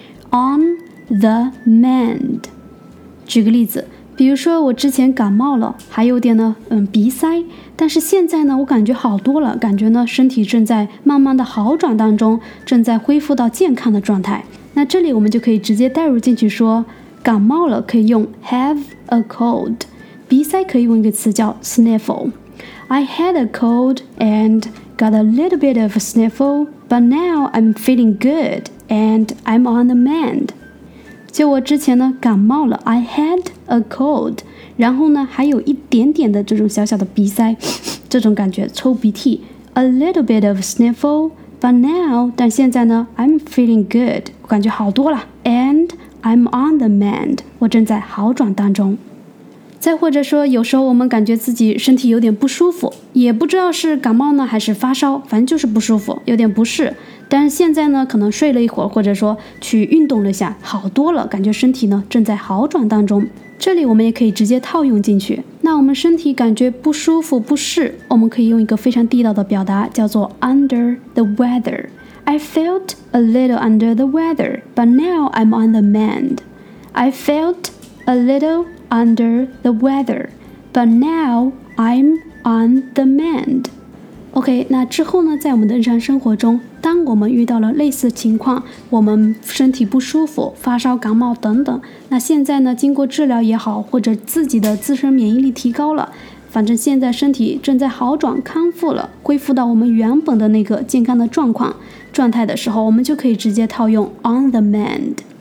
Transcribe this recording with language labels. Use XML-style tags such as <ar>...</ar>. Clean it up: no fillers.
<en>On the mend，</en> <zh>举个例子，比如说我之前感冒了，还有点呢鼻塞，但是现在呢我感觉好多了，感觉呢身体正在慢慢的好转当中，正在恢复到健康的状态。那这里我们就可以直接带入进去说，感冒了可以用</zh> <en>have a cold，</en> <zh>鼻塞可以用一个词叫 sniffle。</zh> <en>I had a cold and got a little bit of a sniffle, but now I'm feeling good and I'm on the mend。</en> <zh>就我之前呢感冒了，</zh> <en>I had a cold，</en> <zh>然后呢还有一点点的这种小小的鼻塞，这种感觉抽鼻涕，</zh> <en>a little bit of sniffle， but now，</en> <zh>但现在呢</zh> <en>I'm feeling good，</en> <zh>我感觉好多了，</zh> <en>and I'm on the mend，</en> <zh>我正在好转当中。再或者说有时候我们感觉自己身体有点不舒服，也不知道是感冒呢还是发烧，反正就是不舒服，有点不适，但是现在呢可能睡了一会儿，或者说去运动了一下好多了，感觉身体呢正在好转当中。这里我们也可以直接套用进去，那我们身体感觉不舒服不适，我们可以用一个非常地道的表达，叫做</zh> <en>under the weather。 I felt a little under the weather, but now I'm on the mend. I felt a little under the weather, but now I'm on the mend.</en> <zh>OK， 那之后呢在我们的日常生活中，当我们遇到了类似情况，我们身体不舒服，发烧感冒等等，那现在呢经过治疗也好，或者自己的自身免疫力提高了，反正现在身体正在好转康复了，恢复到我们原本的那个健康的状态的时候，我们就可以直接套用</zh> <en>on the mend。</en>